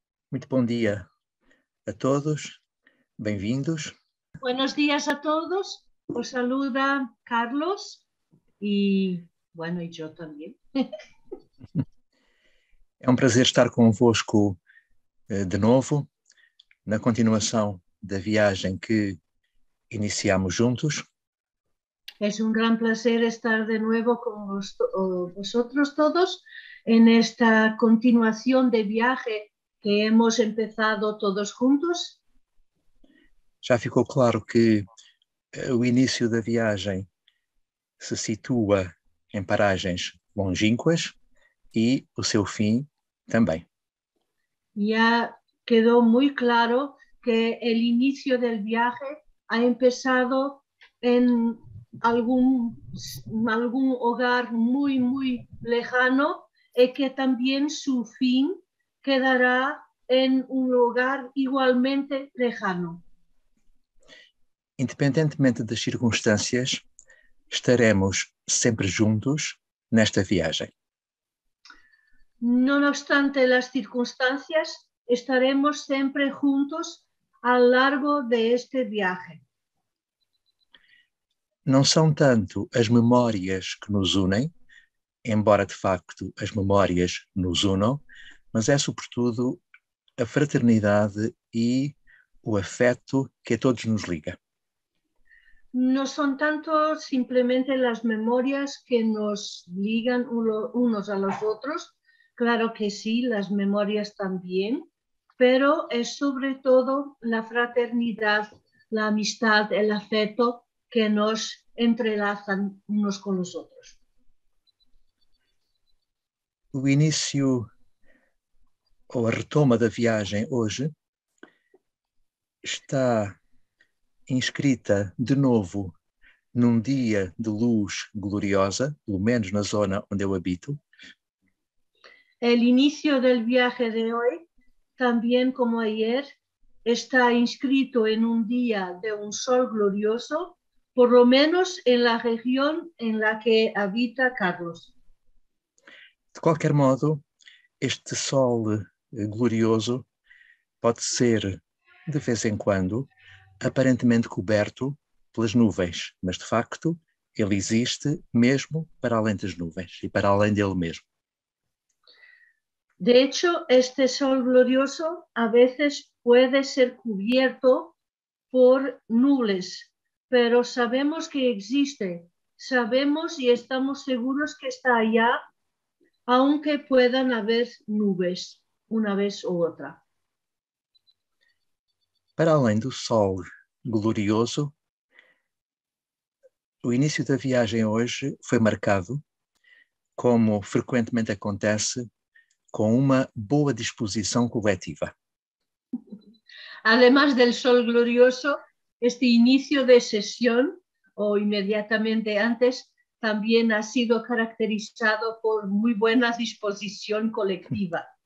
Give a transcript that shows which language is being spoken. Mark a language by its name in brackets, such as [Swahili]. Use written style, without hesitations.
[Portuguese] Muito bom dia a todos, bem-vindos. [Spanish] Buenos días a todos. Os saluda Carlos y bueno, y yo también. [Portuguese] É um prazer estar convosco de novo, na continuação da viagem que iniciamos juntos. [Spanish] Es un gran placer estar de nuevo con vosotros todos en esta continuación de viaje que hemos empezado todos juntos. [Portuguese] Já ficou claro que o início da viagem se situa em paragens longínquas e o seu fim também. [Spanish] Ya quedó muy claro que el inicio del viaje ha empezado en algún hogar muy, muy lejano y que también su fin quedará en un lugar igualmente lejano. [Portuguese] Independentemente das circunstâncias, estaremos sempre juntos nesta viagem. [Spanish] No obstante las circunstancias, estaremos siempre juntos a lo largo de este viaje. [Portuguese] Não são tanto as memórias que nos unem, embora de facto as memórias nos unam, mas é sobretudo a fraternidade e o afeto que a todos nos liga. [Spanish] No son tanto simplemente las memorias que nos ligan unos a los otros. Claro que sí, las memorias también, pero es sobre todo la fraternidad, la amistad, el afecto que nos entrelazan unos con los otros. [Portuguese] O início ou a retoma da viagem hoje está inscrita de novo num dia de luz gloriosa, pelo menos na zona onde eu habito. [Spanish] El inicio del viaje de hoy, también como ayer, está inscrito en un día de un sol glorioso, por lo menos en la región en la que habita Carlos. [Portuguese] De qualquer modo, este sol glorioso pode ser, de vez em quando, aparentemente coberto pelas nuvens, mas de facto ele existe mesmo para além das nuvens e para além dele mesmo. [Spanish] De hecho, este sol glorioso a veces puede ser cubierto por nubes, pero sabemos que existe, sabemos y estamos seguros que está allá, aunque puedan haber nubes una vez u otra. [Portuguese] Para além do sol glorioso, o início da viagem hoje foi marcado, como frequentemente acontece, com uma boa disposição coletiva. [Spanish] Además del sol glorioso, este inicio de sesión, o inmediatamente antes, también ha sido caracterizado por muy buena disposición colectiva.